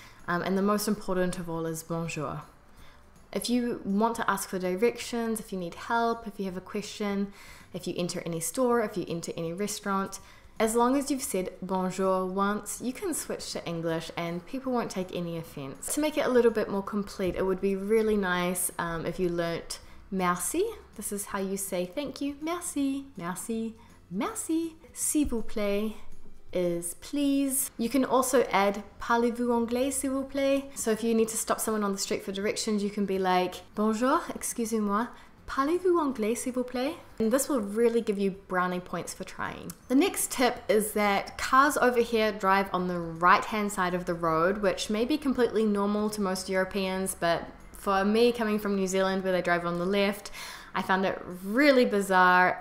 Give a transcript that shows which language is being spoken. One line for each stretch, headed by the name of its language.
English: And the most important of all is bonjour. If you want to ask for directions, if you need help, if you have a question, if you enter any store, if you enter any restaurant, as long as you've said bonjour once, you can switch to English and people won't take any offense. To make it a little bit more complete, it would be really nice if you learnt merci. This is how you say thank you.
French: Merci, merci, merci, s'il vous plaît.
English: Is please. You can also add
French: parlez-vous anglais s'il vous plaît.
English: So if you need to stop someone on the street for directions, you can be like
French: bonjour, excusez-moi, parlez-vous anglais s'il vous plaît.
English: And this will really give you brownie points for trying. The next tip is that cars over here drive on the right-hand side of the road, which may be completely normal to most Europeans, but for me coming from New Zealand where they drive on the left, I found it really bizarre.